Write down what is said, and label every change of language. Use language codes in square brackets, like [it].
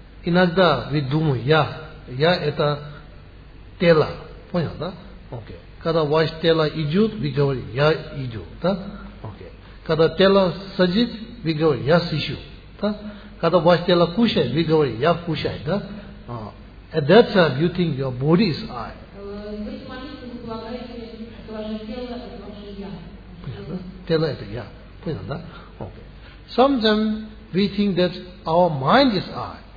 [ru] Иногда вы думаете, я это тело, понял, да? Окей. Когда ваше тело идет, вы говорите, я иду, да? Окей. Когда тело садит, вы говорите, я сижу, да? Когда ваше тело кушает, вы говорите, я кушаю, да? [en] At that time, you think your body is I. [ru] Вы смотрите, вы полагаете, что ваше тело это ваше я. Тело это я, понял, да? Окей. [en] Sometimes we think that our mind is I.